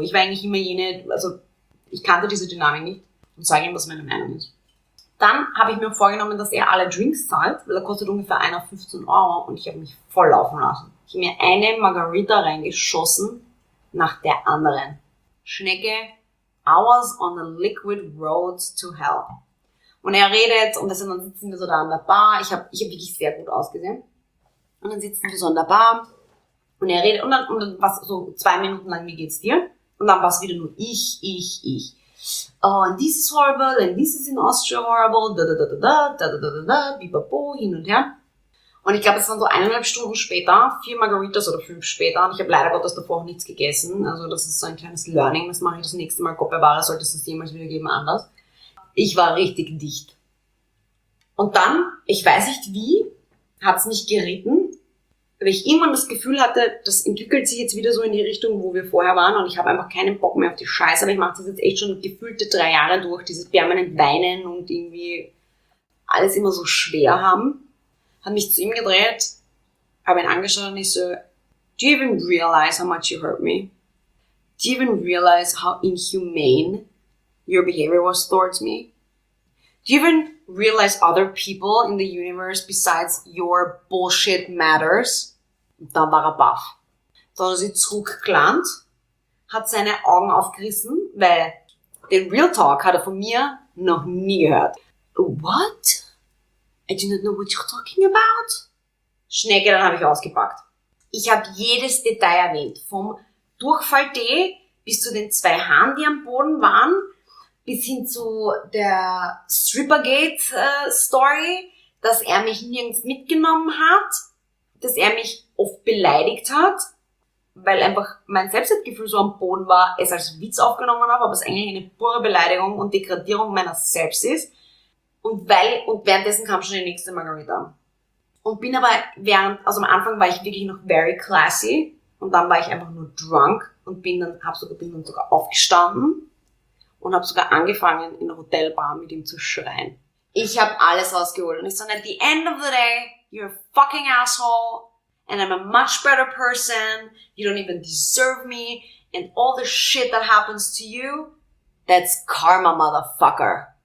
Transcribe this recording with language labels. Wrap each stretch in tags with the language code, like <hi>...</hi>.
<de>Ich war eigentlich immer jene, also ich kannte diese Dynamik nicht und sage ihm, was meine Meinung ist. Dann habe ich mir vorgenommen, dass er alle Drinks zahlt, weil er kostet ungefähr 1 auf 15 Euro und ich habe mich voll laufen lassen. Ich habe mir eine Margarita reingeschossen nach der anderen.</de> <en>Schnecke, I was on the liquid road to hell.</en> <de>Und er redet und dann sitzen wir so da an der Bar. Ich hab wirklich sehr gut ausgesehen. Und dann sitzen wir so an der Bar und er redet und dann was so 2 Minuten lang, wie geht's dir? Und dann war es wieder nur ich.</de> <en>Oh, and this is horrible, and this is in Austria horrible, da-da-da-da-da, bibabo,</en> <de>hin und her. Und ich glaube, es waren so 1,5 Stunden später, 4 Margaritas oder 5 später, und ich habe leider Gottes davor auch nichts gegessen. Also das ist so ein kleines Learning, das mache ich das nächste Mal. Gott bewahre, sollte es das jemals wieder geben, anders. Ich war richtig dicht. Und dann, ich weiß nicht wie, hat es mich geritten, weil ich irgendwann das Gefühl hatte, das entwickelt sich jetzt wieder so in die Richtung, wo wir vorher waren und ich habe einfach keinen Bock mehr auf die Scheiße, aber ich mache das jetzt echt schon gefühlte 3 Jahre durch, dieses permanent Weinen und irgendwie alles immer so schwer haben. Hat mich zu ihm gedreht, habe ihn angeschaut und ich so,</de> <en>do you even realize how much you hurt me? Do you even realize how inhumane your behavior was towards me? Do you even realize other people in the universe besides your bullshit matters?</en> <de>Und dann war er baff. Dann hat er sich zurückgelandt, hat seine Augen aufgerissen, weil den Real Talk hat er von mir noch nie gehört.</de> <en>What? I do not know what you're talking about?</en> <de>Schnecke, dann habe ich ausgepackt. Ich habe jedes Detail erwähnt, vom Durchfall-Tee bis zu den 2 Haaren, die am Boden waren, bis hin zu der Strippergate-Story, dass er mich nirgends mitgenommen hat, dass er mich oft beleidigt hat, weil einfach mein Selbstwertgefühl so am Boden war, es als Witz aufgenommen habe, aber es eigentlich eine pure Beleidigung und Degradierung meiner selbst ist. Und währenddessen kam schon die nächste Margarita. Und bin aber am Anfang war ich wirklich noch</de> <en>very classy</en> <de>und dann war ich einfach nur drunk und bin dann sogar aufgestanden. Und habe sogar angefangen, in der Hotelbar mit ihm zu schreien. Ich habe alles ausgeholt. Und ich so,</de> <en>at the end of the day, you're a fucking asshole. And I'm a much better person. You don't even deserve me. And all the shit that happens to you, that's karma, motherfucker.</en>